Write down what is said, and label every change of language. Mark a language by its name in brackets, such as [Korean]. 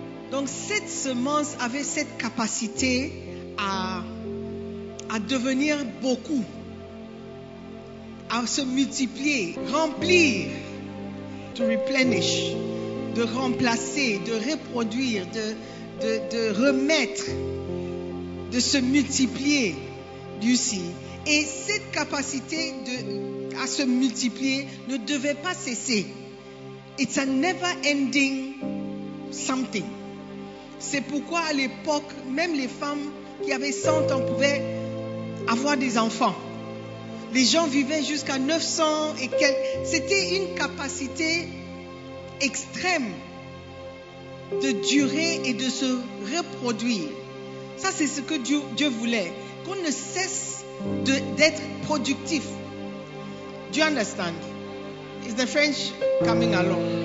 [French] Donc cette semence avait cette capacité à devenir beaucoup, à se multiplier, remplir, [English] to replenish, [French] de remplacer, de reproduire, de remettre, de se multiplier, [English] you see. [French] Et cette capacité à se multiplier ne devait pas cesser. [English] It's a never ending something. [French] C'est pourquoi à l'époque, même les femmes qui avaient 100 ans pouvaient avoir des enfants. Les gens vivaient jusqu'à 900 et quelques. C'était une capacité extrême de durer et de se reproduire. Ça, c'est ce que Dieu voulait. Qu'on ne cesse d'être productif. [English] Do you understand? Is the French coming along?